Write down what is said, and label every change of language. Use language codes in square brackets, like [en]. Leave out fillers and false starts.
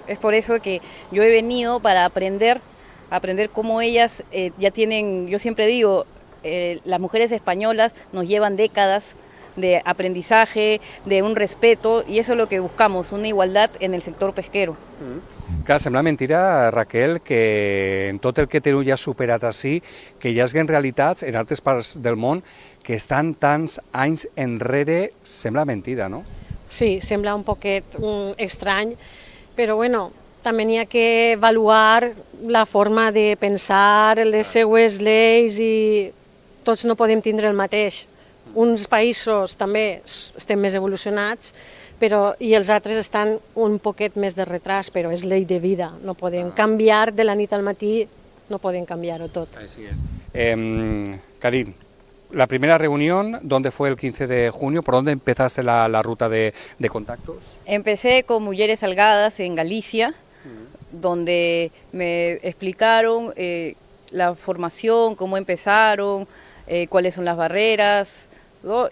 [es] Es por eso que yo he venido para aprender cómo ellas ya tienen, yo siempre digo, las mujeres españolas nos llevan décadas de aprendizaje, de un respeto, y eso es lo que buscamos, una igualdad en el sector pesquero. [ca] Claro, sembla mentira, Raquel, que en tot el que Teru ja ha superat així, que hi hagin realitats en altres parts del món que estan tants anys enrere, sembla mentira, no? Sí, sembla un poquet estrany, però bueno, també n'hi ha que avaluar la forma de pensar, les seues lleis, i tots no podem tindre el mateix. Uns països també estem més evolucionats, però i els altres estan un poquet més de retras, però és llei de vida. No podem canviar de la nit al matí, no podem canviar-ho tot. Així és. Karin, la primera reunió, on fue el 15 de juny? [es] ¿Por dónde empezaste la ruta de contactos? Empecé con Mujeres Algadas en Galicia, donde me explicaron la formación, cómo empezaron, cuáles son las barreras, ¿no?